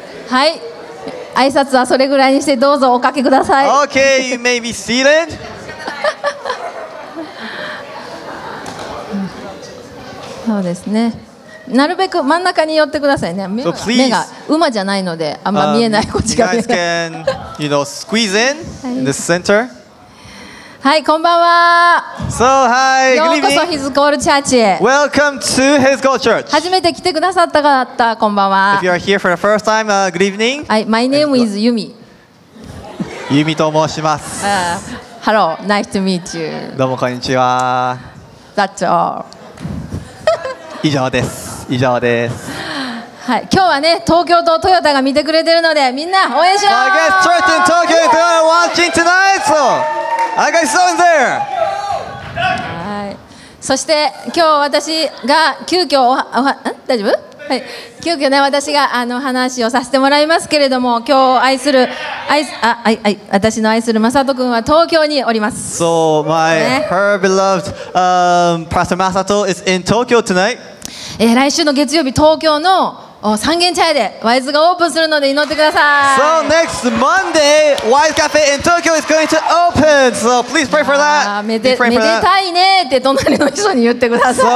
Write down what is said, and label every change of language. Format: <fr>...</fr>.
<ja>はい、挨拶はそれぐらいにしてどうぞおかけください。</ja> <en>OK, you may be seated.</en> <ja>そうですね。なるべく真ん中に寄ってくださいね。</ja> <en>So、please,</en> <ja>目が馬じゃないのであんま見えないこっちが見えない。</ja> <en>You guys can, you know, squeeze in in the center.</en> <ja>はい、こんばんは。</ja> <en>So, hi,</en> <ja>ようこそ His Call Church へ。</ja> <en>Welcome to His Call Church.</en> <ja>初めて来てくださった方、こんばんは。</ja> <en>If you are here for the first time, good evening. はい、My name is Yumi.</en> <ja>Yumi と申します。</ja> <en>Hello, nice to meet you.</en> <ja>どうもこんにちは。</ja> <en>That's all.</en> <ja>以上です。以上です。はい、今日はね、東京とトヨタが見てくれてるので、みんな応援しよう。</ja> <en>I guess Church in Tokyo is watching tonight, so I got someone there.</en> <ja>そして今日私が急遽大丈夫、はい、急遽ね私があの話をさせてもらいますけれども、今日愛する愛すあ愛愛私の愛するマサト君は東京におります。</ja> <en>So my、ね、her beloved、Pastor Masato is in Tokyo tonight、</en> <ja>来週の月曜日東京の三軒茶屋でワイズがオープンするので祈ってください。</ja> <en>So next Monday Wise Cafe in Tokyo is going to open, so please pray for that.</en> <ja>めでたいねって隣の人に言ってください。</ja>